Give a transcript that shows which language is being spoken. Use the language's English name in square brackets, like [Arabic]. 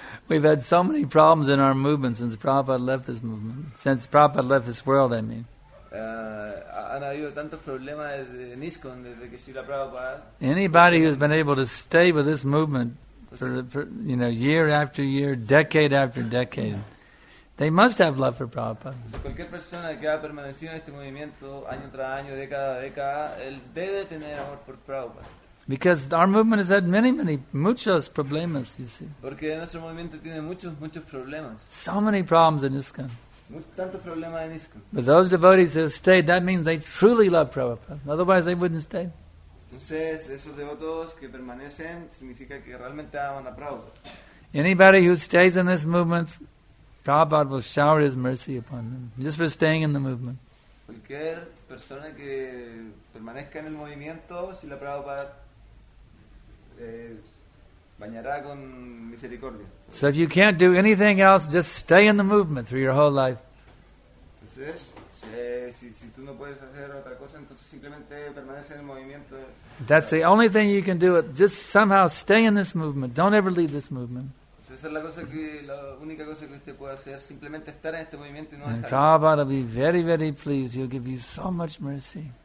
[English] We've had so many problems in our movement since Prabhupada left this movement. Since Prabhupada left this world, I mean. [Spanish] Han habido tantos problemas en ISKCON desde que Srila Prabhupada. [English] Anybody who's been able to stay with this movement for year after year, decade after decade, they must have love for Prabhupada. [Spanish] Cualquier persona que ha permanecido en este movimiento año tras año, década tras década, él debe tener amor por Prabhupada. [English] Because our movement has had many, many, [Spanish] muchos problemas, [English] you see. [Spanish] Porque nuestro movimiento tiene muchos, muchos problemas. [English] So many problems in ISKCON. [Spanish] Tantos problemas en ISKCON. [English] But those devotees who have stayed, that means they truly love Prabhupada. Otherwise, they wouldn't stay. [Spanish] Entonces, esos devotos que permanecen, significa que realmente aman a Prabhupada. [English] Anybody who stays in this movement, Prabhupada will shower his mercy upon them. Just for staying in the movement. [Spanish] Cualquier persona que permanezca en el movimiento, si la Prabhupada bañará con misericordia. [English] So if you can't do anything else, just stay in the movement through your whole life. [Spanish] Entonces, si tú no puedes hacer otra cosa, entonces simplemente permanece en el movimiento. [English] That's the only thing you can do. Just somehow stay in this movement. Don't ever leave this movement. [Spanish] Esa es la única cosa que usted puede hacer, simplemente estar en este movimiento y no dejar. [English] Prabhupada will be very, very pleased. He'll give you so much mercy.